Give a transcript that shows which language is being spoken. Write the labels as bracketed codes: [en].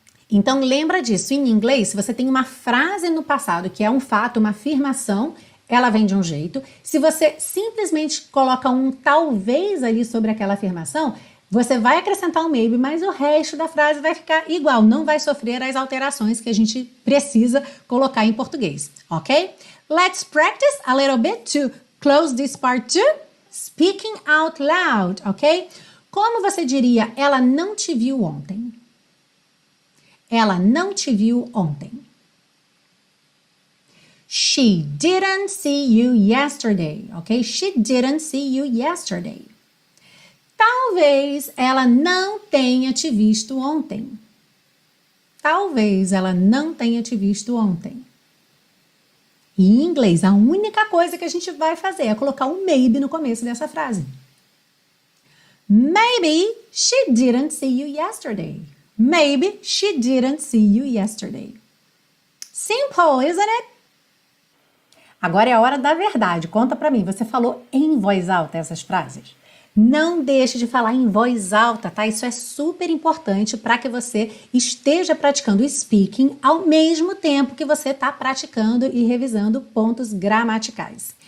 [pt] Então lembra disso, em inglês, se você tem uma frase no passado que é um fato, uma afirmação, ela vem de um jeito. Se você simplesmente coloca um talvez ali sobre aquela afirmação, você vai acrescentar um maybe, mas o resto da frase vai ficar igual, não vai sofrer as alterações que a gente precisa colocar em português, ok? [en] Let's practice a little bit to close this part to speaking out loud, ok? [pt] Como você diria, ela não te viu ontem? Ela não te viu ontem. [en] She didn't see you yesterday, ok? She didn't see you yesterday. [pt] Talvez ela não tenha te visto ontem. Talvez ela não tenha te visto ontem. E em inglês, a única coisa que a gente vai fazer é colocar um maybe no começo dessa frase. [en] Maybe she didn't see you yesterday. Maybe she didn't see you yesterday. Simple, isn't it? [pt] Agora é a hora da verdade. Conta pra mim, você falou em voz alta essas frases? Não deixe de falar em voz alta, tá? Isso é super importante para que você esteja praticando speaking ao mesmo tempo que você está praticando e revisando pontos gramaticais.